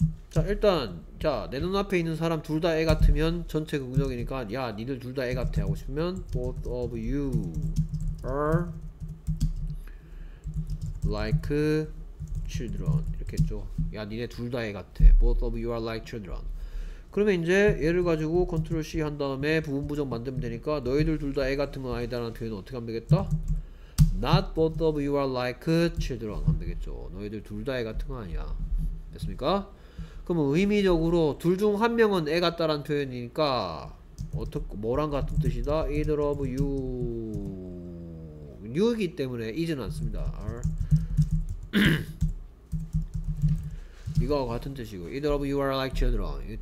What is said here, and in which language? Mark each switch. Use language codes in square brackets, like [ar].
[ko] 자, 일단 자, 내 눈앞에 있는 사람 둘 다 애 같으면 전체 긍정이니까 야 니들 둘 다 애 같아 하고 싶으면 [en] both of you are like children [ko] 이렇게 했죠. 야 니네 둘 다 애 같아. [en] both of you are like children. [ko] 그러면 이제 얘를 가지고 컨트롤 C 한 다음에 부분 부정 만들면 되니까 너희들 둘 다 애 같은 건 아니다 라는 표현은 어떻게 하면 되겠다? [en] not both of you are like children [ko] 하면 되겠죠. 너희들 둘 다 애 같은 거 아니야 됐습니까? 그럼 의미적으로 둘 중 한 명은 애 같다라는 표현이니까 어떻게 뭐랑 같은 뜻이다? [en] Either of you, [ko] you이기 때문에 is는 안 씁니다. [en] Are [ko] 이거와 같은 뜻이고 [en] Either of you are like children.